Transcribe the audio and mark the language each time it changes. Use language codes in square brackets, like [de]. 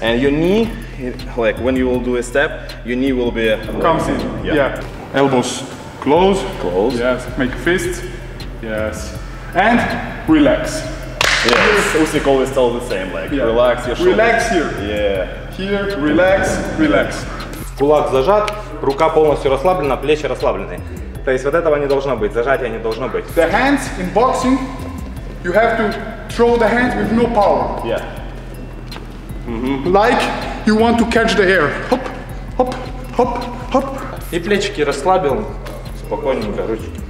[en] And your knee, like when you will do a step, your knee will be... comes in, yeah. Elbows close. Close. Yes, make fists. Yes. And relax. Yes, Usyk always tell the same, like, relax your shoulders. Relax here. Yeah. Here, relax, relax. [ru] Кулак зажат, рука полностью расслаблена, плечи расслаблены. То есть вот этого не должно быть, зажатия не должно быть. [en] The hands in boxing, you have to throw the hands with no power. Yeah. Like you want to catch the air. Hop, hop, hop, hop. [ru] И плечики расслабил. Спокойненько, ручки.